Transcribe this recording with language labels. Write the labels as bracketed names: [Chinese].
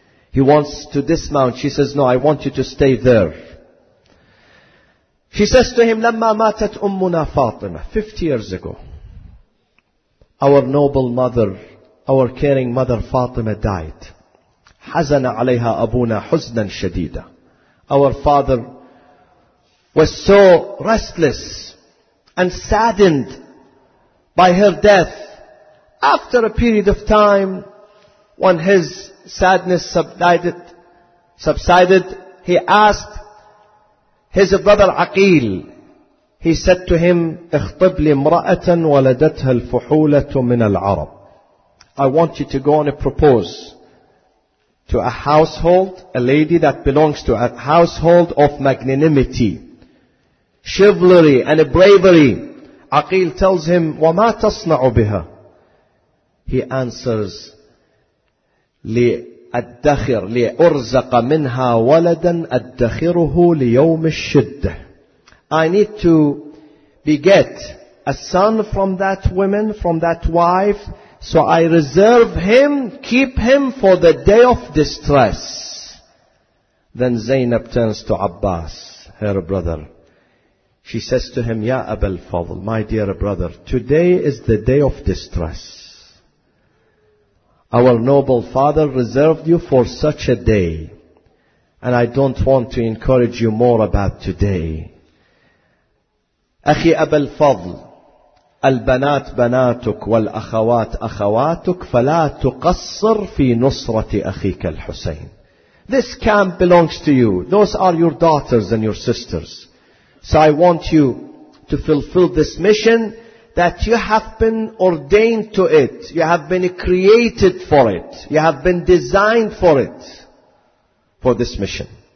[English] He wants to dismount. She says, no, I want you to stay there. She says to him, [Arabic] لما ماتت أمنا فاطمة, [English] 50 years ago, our noble mother, our caring mother Fatima died. [Arabic] حزن عليها أبونا حزنا شديدا. [English] Our father was so restless and saddened by her death. After a period of time, when his sadness subsided, he asked his brother Aqil. He said to him, [Arabic] اخطب لي امرأة ولدتها الفحولة من العرب. [English] I want you to go and propose to a household, a lady that belongs to a household of magnanimity, chivalry and bravery. Aqil tells him, [Arabic] وَمَا تَصْنَعُ بِهَا? [English] He answers, [Arabic] لِأَدَّخِرْ لِأُرْزَقَ مِنْهَا وَلَدًا أَدَّخِرُهُ لِيَوْمِ الشِّدَّةِ. [English] I need to beget a son from that woman, from that wife, so I reserve him, keep him for the day of distress. Then Zainab turns to Abbas, her brother. She says to him, Ya Aba al-Fadl, my dear brother, today is the day of distress. Our noble father reserved you for such a day. And I don't want to encourage you more about today. [Arabic] Akhi Aba al-Fadl, البنات بناتك والأخوات أخواتك فلا تقصر في نصرة أخيك الحسين. [English] This camp belongs to you. Those are your daughters and your sisters. So I want you to fulfill this mission that you have been ordained to it. You have been created for it. You have been designed for it. For this mission.